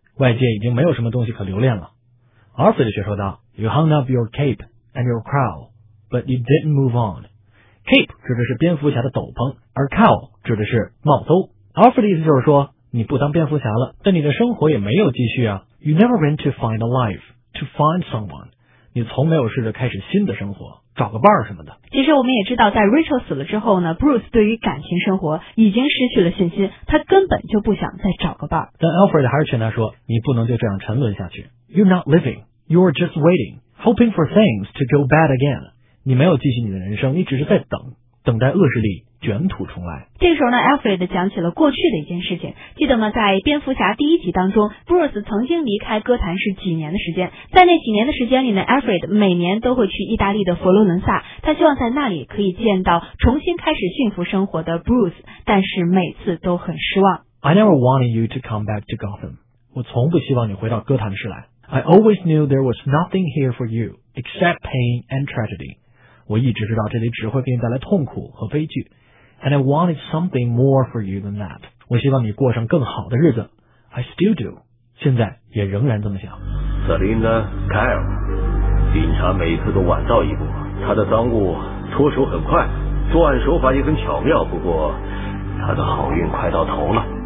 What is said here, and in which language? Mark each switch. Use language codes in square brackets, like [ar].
[zh] 外界已经没有什么东西可留恋了。 [en] ”Alfred [zh] 却说道 [en] ：“You hung up your cape and your crown, but you didn't move on.” [zh] Cape 指的是蝙蝠侠的斗篷，而 Cow 指的是帽兜。 Alfred 的意思就是说，你不当蝙蝠侠了，但你的生活也没有继续啊。 [en] You never went to find a life, to find someone. [zh] 你从没有试着开始新的生活，找个伴儿什么的。其实我们也知道，在 Rachel 死了之后呢 ，Bruce 对于感情生活已经失去了信心，他根本就不想再找个伴儿。但 Alfred 还是劝他说，你不能就这样沉沦下去。 [en] You're not living, you're just waiting, hoping for things to go bad again. [zh] 你没有继续你的人生，你只是在等，等待恶势力卷土重来。这个时候呢 ，Alfred 讲起了过去的一件事情。记得吗？在蝙蝠侠第一集当中 ，Bruce 曾经离开哥谭市几年的时间。在那几年的时间里呢 ，Alfred 每年都会去意大利的佛罗伦萨，他希望在那里可以见到重新开始幸福生活的 Bruce， 但是每次都很失望。 [en] I never wanted you to come back to Gotham. [zh] 我从不希望你回到哥谭市来。 [en] I always knew there was nothing here for you except pain and tragedy. [zh] 我一直知道这里只会给你带来痛苦和悲剧。 [en] And I wanted something more for you than that. [zh] 我希望你过上更好的日子。 [en] I still do. [zh] 现在也仍然这么想。 Selina Kyle, 警察每次都晚到一步，他的赃物脱手很快，作案手法也很巧妙，不过他的好运快到头了。